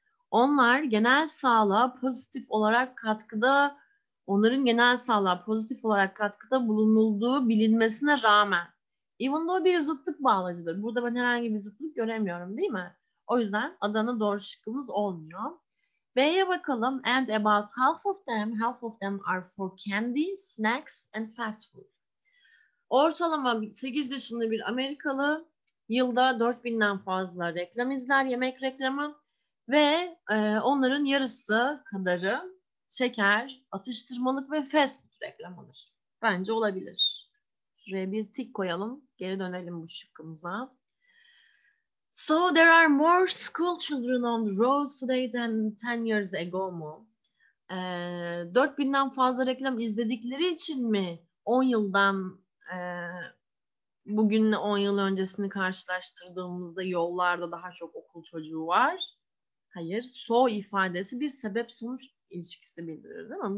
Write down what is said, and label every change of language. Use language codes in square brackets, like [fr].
[tr] Onlar genel sağlığa pozitif olarak katkıda, onların genel sağlığa pozitif olarak katkıda bulunulduğu bilinmesine rağmen. Even though bir zıtlık bağlacıdır. Burada ben herhangi bir zıtlık göremiyorum, değil mi? O yüzden A'nın doğru şıkkımız olmuyor. B'ye bakalım. [en] And about half of them are for candy, snacks and fast food. [tr] Ortalama 8 yaşında bir Amerikalı yılda 4.000'den fazla reklam izler, yemek reklamı. Ve onların yarısı kadarı şeker, atıştırmalık ve fast food reklamıdır. Bence olabilir. Şuraya bir tik koyalım. Geri dönelim bu şıkkımıza. [en] So there are more school children on the roads today than 10 years ago mu? [tr] 4.000'den fazla reklam izledikleri için mi 10 yıldan bugünle 10 yıl öncesini karşılaştırdığımızda yollarda daha çok okul çocuğu var? Hayır, so ifadesi bir sebep sonuç ilişkisi bildirir, değil mi?